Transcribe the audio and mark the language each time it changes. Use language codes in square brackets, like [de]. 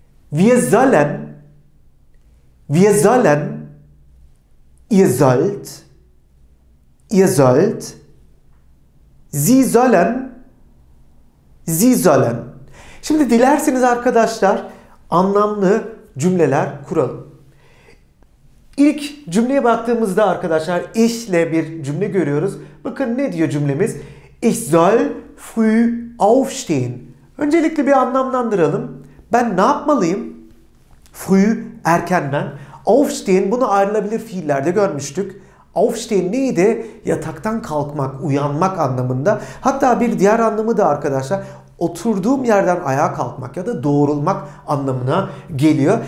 [de] Wir sollen, ihr sollt, sie sollen, Sie sollen. [tr] Şimdi dilerseniz arkadaşlar anlamlı cümleler kuralım. İlk cümleye baktığımızda arkadaşlar ich ile bir cümle görüyoruz. Bakın ne diyor cümlemiz? [de] Ich soll früh aufstehen. [tr] Öncelikle bir anlamlandıralım. Ben ne yapmalıyım? Früh erkenden. Aufstehen, bunu ayrılabilir fiillerde görmüştük. Aufstehen neydi? Yataktan kalkmak, uyanmak anlamında. Hatta bir diğer anlamı da arkadaşlar, oturduğum yerden ayağa kalkmak ya da doğrulmak anlamına geliyor.